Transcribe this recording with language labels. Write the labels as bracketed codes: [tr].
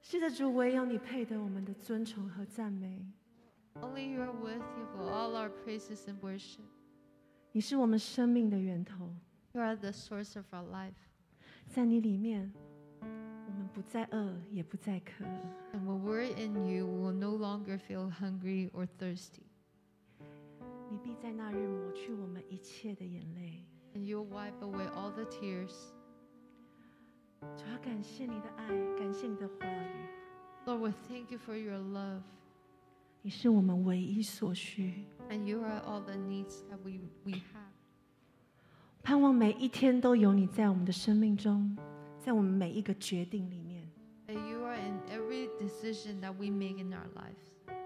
[zh] 主，唯有你配得我们的尊崇和赞美。 [en] Only you are worthy of all our praises and worship. [zh] 你是我们生命的源头。 [en] You are the source of our life. [zh] 在你里面，我们不再饿，也不再渴。 [en] And when we're in you, we will no longer feel hungry or thirsty. [zh] 你必在那日抹去我们一切的眼泪。 [en] And you'll wipe away all the tears. [zh] 主要感谢你的爱，感谢你的话语。 [en] Lord, we thank you for your love. [zh] 你是我们唯一所需。 [en] And you are all the needs that we have. [zh] 盼望每一天都有你在我们的生命中，在我们每一个决定里面。 [en] And you are in every decision that we make in our lives.